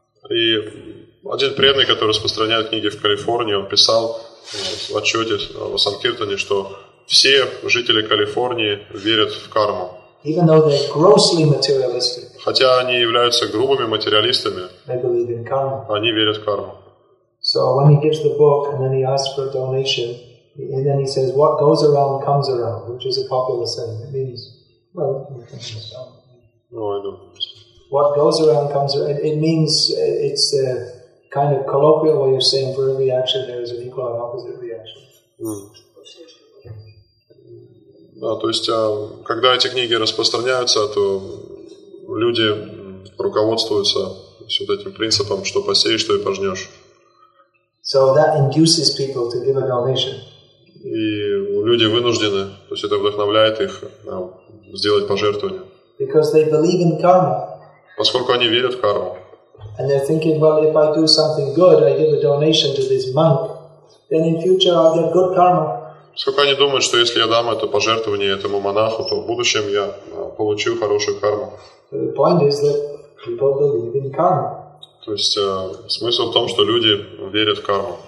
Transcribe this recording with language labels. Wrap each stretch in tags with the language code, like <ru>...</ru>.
<ru>И один преданный, который распространяет книги в Калифорнии, он писал в отчете в Санкиртане, что все жители Калифорнии верят в карму.</ru> <en>Even though they're grossly materialistic,</en> <ru>хотя они являются грубыми материалистами,</ru> <en>they believe in karma.</en> <ru>Они верят в карму.</ru> <en>So when he gives the book and then he asks for a donation, and then he says, what goes around comes around, which is a popular saying. It means, well, you can just No, I don't understand. What goes around comes around, it means it's a kind of colloquial way of saying for every action there is an equal and opposite reaction.</en> <ru>Да, то есть, когда эти книги распространяются, то люди руководствуются вот этим принципом, что посеешь, то и пожнешь.</ru> <en>So that induces people to give a donation.</en> <ru>И люди вынуждены, то есть это вдохновляет их сделать пожертвование.</ru> <en>Because they believe in karma.</en> <ru>Поскольку они верят в карму.</ru> <en>And they're thinking, well, if I do something good, I give a donation to this monk, then in future I'll get good karma.</en> <ru>Сколько они думают, что если я дам это пожертвование этому монаху, то в будущем я получу хорошую карму.</ru> <en>The point is that people believe in karma.</en> <ru>То есть смысл в том, что люди верят в карму.</ru>